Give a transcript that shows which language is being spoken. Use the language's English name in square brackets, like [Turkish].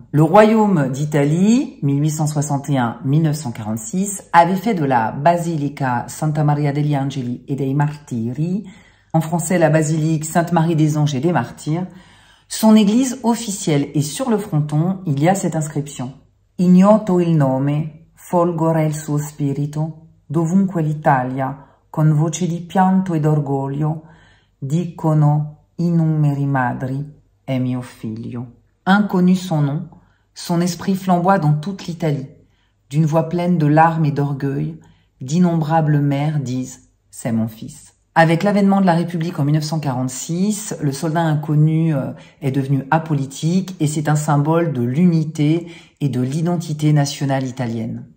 [French] Le royaume d'Italie, 1861-1946, avait fait de la Basilica Santa Maria degli Angeli e dei Martiri, en français la Basilique Sainte-Marie des Anges et des Martyrs, son église officielle et sur le fronton, il y a cette inscription. [Italian] Ignoto il nome, folgore il suo spirito, dovunque l'Italia, con voce di pianto e d'orgoglio, dicono innumeri madri e mio figlio. [French] Inconnu son nom, son esprit flamboie dans toute l'Italie. D'une voix pleine de larmes et d'orgueil, d'innombrables mères disent « c'est mon fils ». Avec l'avènement de la République en 1946, le soldat inconnu est devenu apolitique et c'est un symbole de l'unité et de l'identité nationale italienne.